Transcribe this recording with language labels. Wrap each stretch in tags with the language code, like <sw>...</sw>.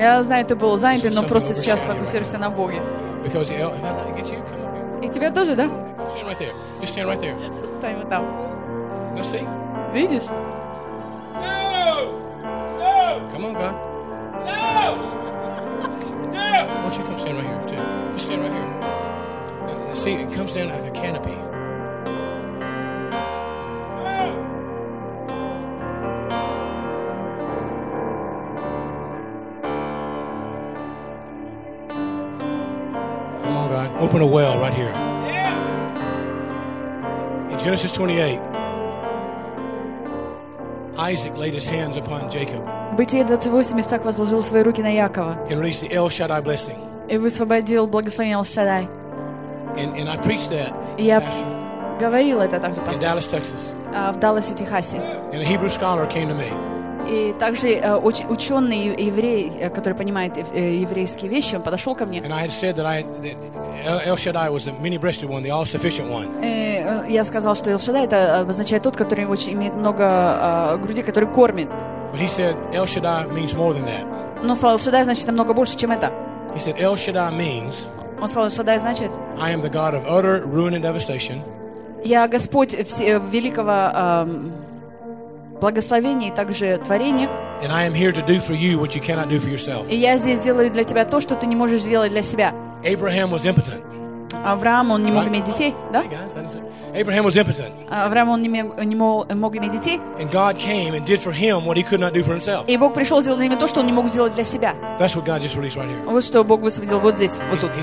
<ru>Я знаю, ты был занят, но просто сейчас фокусируйся на Боге.</ru> <en>Because if I get you, come up here.</en> <ru>И тебя тоже, да?</ru> <en>Stand right there. Just stand right there.</en> <ru>Стань вот там.</ru> <en>You see?</en> <ru>Видишь?</ru> <en>No! No! Come on, God. No! Why don't you come stand right here, too? Just stand right here. See, it comes down like a canopy. Come on, God. Open a well right here. Yeah. Genesis 28. Isaac laid his hands upon Jacob.</en> <ru>Бытие 28 Исаак возложил свои руки на Якова.</ru> <en>And released the El Shaddai blessing.</en> <ru>И высвободил благословение El Shaddai.</ru> <en>And I preached that.</en> <ru>Я говорил это также.</ru> <en>In Dallas, Texas.</en> <ru>В Далласе, Техасе.</ru> <en>And a Hebrew scholar came to me.</en> <ru>И также ученый еврей, который понимает еврейские вещи, он подошел ко мне.</ru> <en>And I had said that El Shaddai was the many-breasted one, the all-sufficient one.</en> <ru>Я сказал, что El Shaddai это означает тот, который очень имеет много груди, который кормит.</ru> <en>But he said El Shaddai means more than that.</en> <ru>Но слово El Shaddai значит намного больше, чем это.</ru> <en>He said El Shaddai means.</en> <ru>Он сказал, El Shaddai значит.</ru> <en>I am the God of utter ruin and devastation.</en> <ru>Я Господь великого благословения и также творения.</ru> <en>And I am here to do for you what you cannot do for yourself.</en> <ru>И я здесь делаю для тебя то, что ты не можешь сделать для себя.</ru> <en>Abraham was impotent.</en> <ru>Авраам, он не мог иметь детей, да?</ru> <en>Abraham was impotent.</en> <ru>Авраам, он не мог иметь детей.</ru> <en>And God came and did for him what he could not do for himself.</en> <ru>И Бог пришел и сделал для него то, что он не мог сделать для себя.</ru> <en>That's what God just released right here.</en> <ru>Вот что Бог высвободил вот здесь, вот тут.</ru>